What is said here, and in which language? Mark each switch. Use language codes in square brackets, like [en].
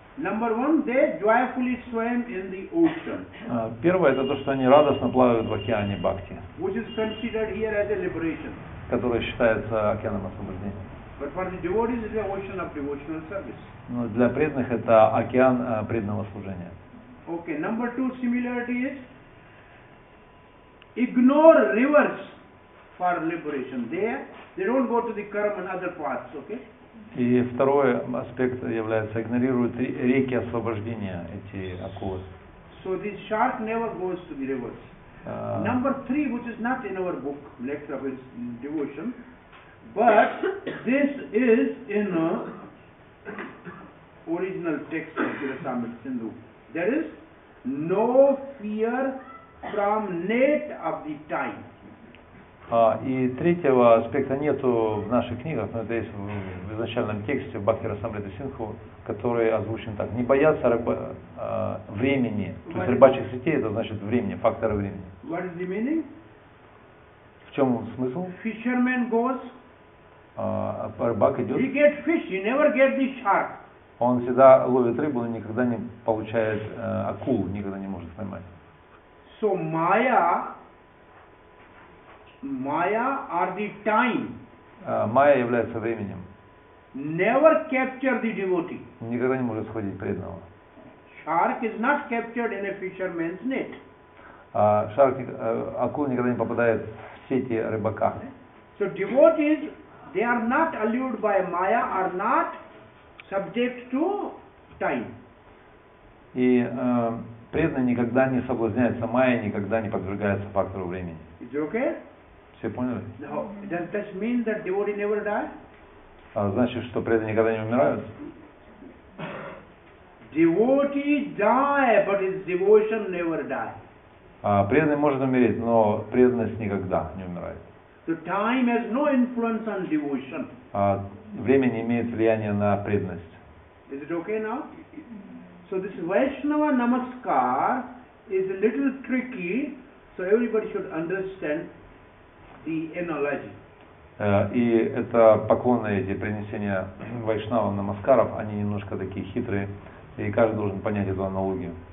[en] Number one, they joyfully swim in the ocean. [ru] Первое, это то, что они радостно плавают в океане бхакти. [en] Which is considered here as a liberation. [ru] Которое считается океаном освобождения. [en] But for the devotees, it is an ocean of devotional service. [ru] Но для преданных это океан преданного служения. [en] Okay, number two similarity is ignore rivers for liberation. They don't go to the karma and other paths, okay? [ru] И второй аспект является игнорируют реки освобождения эти акулы. [en] So this shark never goes to the rivers. Number three, which is not in our book, lecture of his devotion, but this is in a original text of Kirasamrita Sindhu. There is no fear from net of the time. [ru] И третьего аспекта нету в наших книгах, но это есть в изначальном тексте Бхактирасамриты Сингху, который озвучен так. Не бояться времени. То есть рыбачьих сетей — это значит времени, факторы времени. [en] What is the meaning? [ru] В чем смысл? [en] Fisherman goes. [ru] Рыбак идет. [en] He get fish, he never get the shark. [ru] Он всегда ловит рыбу, но никогда не получает акул, никогда не может поймать. [en] So Maya. Maya or the time. [ru] Maya является временем. [en] Never capture the devotee. [ru] Никогда не может схватить преданного. [en] Shark is not captured in a fisherman's net. [ru] Акула никогда не попадает в сети рыбака. [en] So devotees, they are not allured by Maya, are not subject to time. [ru] И преданный никогда не соблазняется Maya, никогда не подвергается фактору времени. [en] Is it okay? [ru] Все поняли? [en] No. Does this mean that devotee never dies? [ru] Значит, что преданные никогда не умирают? [en] Devotee die, but his devotion never die. [ru] Преданный может умереть, но преданность никогда не умирает. [en] So time has no influence on devotion. [ru] Время не имеет влияния на преданность. [en] Is it okay now? So this Vaishnava Namaskar is a little tricky, so everybody should understand. [ru] И это поклонные эти принесения вайшнава намаскаров, они немножко такие хитрые, и каждый должен понять эту аналогию.